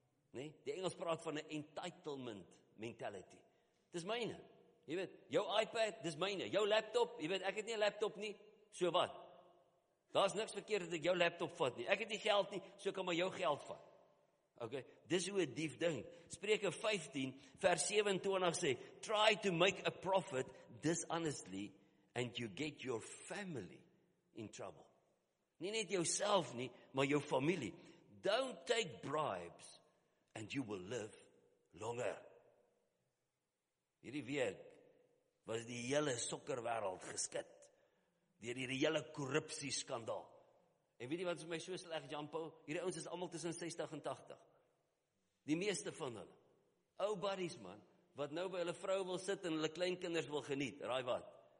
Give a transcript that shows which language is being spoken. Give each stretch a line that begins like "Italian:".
Afrikaans: Nee? Die Engels praat van 'n entitlement mentality. Dis myne. Jy weet, jou iPad, dis myne. Jou laptop, jy weet, ek het nie 'n laptop nie, so wat? Daar is niks verkeerd dat ek jou laptop vat nie. Ek het nie geld nie, so kan my jou geld vat. Ok, dis hoe 'n dief ding. Spreuke 15 vers 27 sê,
English: try to make a profit dishonestly and you get your family in trouble.
Afrikaans: Nie net jouself nie, maar jou familie.
English: Don't take bribes and you will live longer.
Afrikaans: Hierdie week was die hele sokkerwêreld geskud deur hierdie hele korrupsie skandaal. En weet jy wat is my so sleg, Jean-Paul? Hierdie ouens is almal tussen 60 en 80. Die meeste van hulle, ou buddies man, wat nou by hulle vrou wil sit en hulle kleinkinders wil geniet, raai wat?